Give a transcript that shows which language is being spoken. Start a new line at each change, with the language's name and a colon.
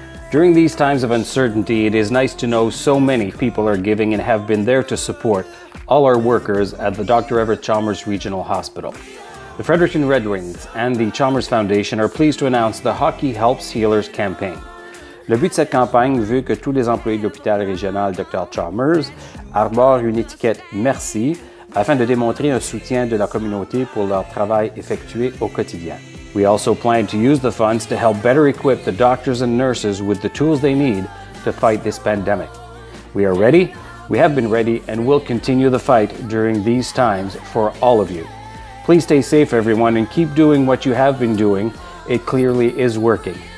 English: During these times of uncertainty, it is nice to know so many people are giving and have been there to support all our workers at the Dr. Everett Chalmers Regional Hospital. The Fredericton Red Wings and the Chalmers Foundation are pleased to announce the Hockey Helps Healers campaign.
French: Le but de cette campagne veut que tous les employés de l'hôpital régional Dr. Chalmers arborent une étiquette Merci afin de démontrer un soutien de la communauté pour leur travail effectué au quotidien.
English: We also plan to use the funds to help better equip the doctors and nurses with the tools they need to fight this pandemic. We are ready, we have been ready, and will continue the fight during these times for all of you. Please stay safe, everyone, and keep doing what you have been doing. It clearly is working.